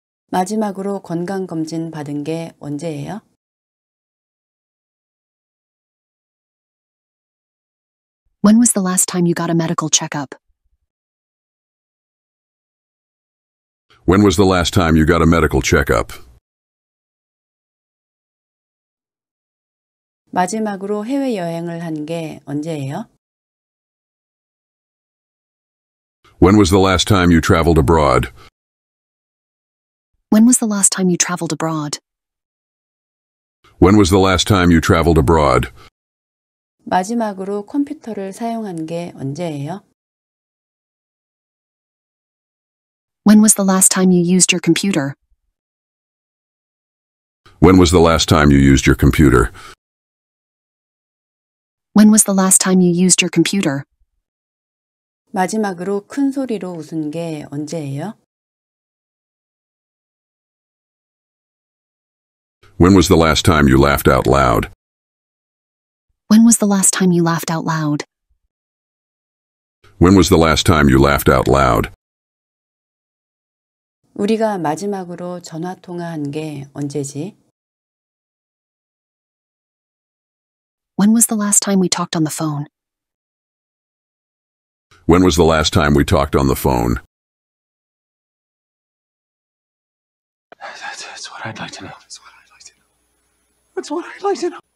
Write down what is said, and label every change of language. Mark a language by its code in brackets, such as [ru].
[ko] 마지막으로 건강검진 받은 게 언제예요? [en] When was the last time you got a medical checkup? When was the last time you got a medical checkup? [ko] 마지막으로 해외여행을 한 게 언제예요? [en] When was the last time you traveled abroad? When was the last time you traveled abroad? When was the last time you traveled abroad? [ko] 마지막으로 컴퓨터를 사용한 게 언제예요? [en] When was the last time you used your computer? When was the last time you used your computer? When was the last time you used your computer? [ko] 마지막으로 큰 소리로 웃은 게 언제예요? [en] When was the last time you laughed out loud? When was the last time you laughed out loud? When was the last time you laughed out loud? [ko] 우리가 마지막으로 전화 통화한 게 언제지? [en] When was the last time we talked on the phone? When was the last time we talked on the phone? That's what I'd like to know. That's what I'd like to know. That's what I'd like to know.